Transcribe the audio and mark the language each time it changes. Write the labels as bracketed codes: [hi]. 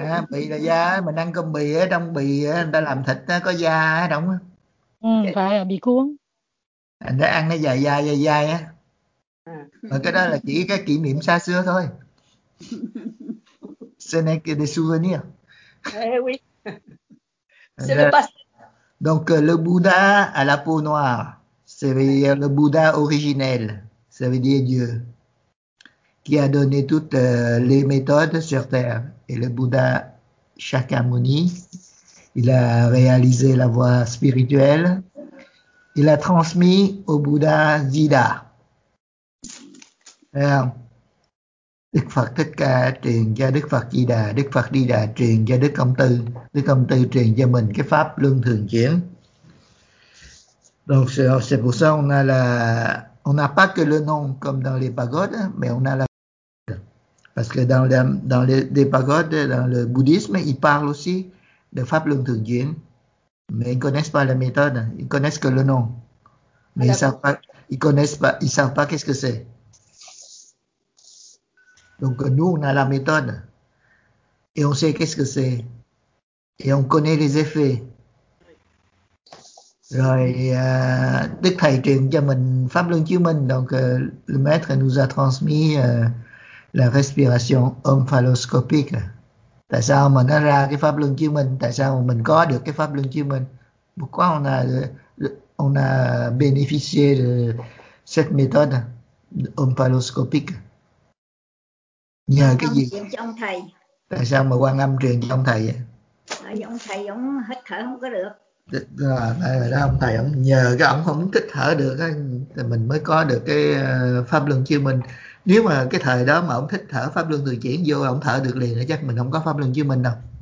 [vi] Bì là da, mình ăn cơm bì á, trong bì người ta làm thịt á, có da á, đúng không? phải bị cuốn. Anh đã ăn nó dài dài dài dài á. Và cái đó là chỉ cái kỷ niệm xa xưa thôi. [fr] Ce n'est que des souvenirs. Oui. Donc le Bouddha à la peau noire, ça veut dire le Bouddha originel, ça veut dire Dieu, qui a donné toutes les méthodes sur Terre. Et le Bouddha Shakyamuni, il a réalisé la voie spirituelle, il a transmis au Bouddha Siddha. [vi] Đức Phật Thích Ca truyền cho Đức Phật Di Đà, Đức Phật Di Đà truyền cho Đức Công Tư, Đức Công Tư truyền cho mình cái pháp luân thường chuyển. [fr] Donc c'est pour ça on a la, on a pas que le nom comme dans les pagodes, mais on a la. Parce que dans les pagodes, dans le bouddhisme, ils parlent aussi de pháp luân thường chuyển, mais ils connaissent pas la méthode, ils connaissent que le nom, mais ils savent pas, ils connaissent pas, ils savent pas qu'est-ce que c'est. Donc nous, on a la méthode et on sait qu'est-ce que c'est et on connaît les effets. [vi] Rồi, Đức Thầy truyền cho mình Pháp Luân Chiếu Minh, [fr] donc le maître nous a transmis la respiration omphaloscopique. [vi] Tại sao mà nó ra cái Pháp Luân Chiếu Minh? Tại sao mà mình có được cái Pháp Luân Chiếu Minh? [fr] Pourquoi on a bénéficié de cette méthode omphaloscopique? [vi] Nhờ cái gì? Tại sao mà Quan Âm truyền cho ông thầy vậy? Ông thầy ông hít thở không có được. Đó, ông thầy ông nhờ cái ông không hít thở được thì mình mới có được cái pháp luân chiếu minh. Nếu mà cái thời đó mà ông hít thở pháp luân thường chuyển vô ông thở được liền thì chắc mình không có pháp luân chiếu minh đâu.